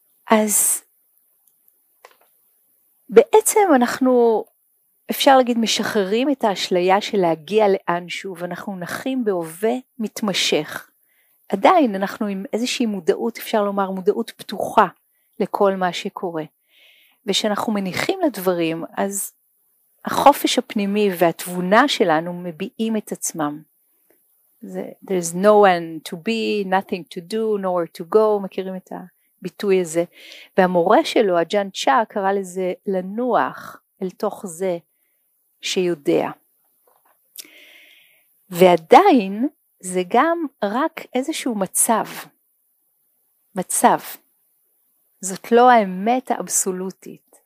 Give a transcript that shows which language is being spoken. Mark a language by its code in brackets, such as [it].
[he] אז בעצם אנחנו, אפשר להגיד, משחררים את האשליה של להגיע לאנשהו, ואנחנו נחים בהווה מתמשך. עדיין אנחנו עם איזושהי מודעות, אפשר לומר, מודעות פתוחה לכל מה שקורה. ושאנחנו מניחים לדברים, אז החופש הפנימי והתבונה שלנו מביעים את עצמם. [en] There's no one to be, nothing to do, nowhere to go, [he] מכירים את הביטוי הזה. והמורה שלו, אג'אן צ'ה, קרא לזה לנוח אל תוך זה שיודע. ועדיין זה גם רק איזשהו מצב. מצב. זאת לא האמת האבסולוטית.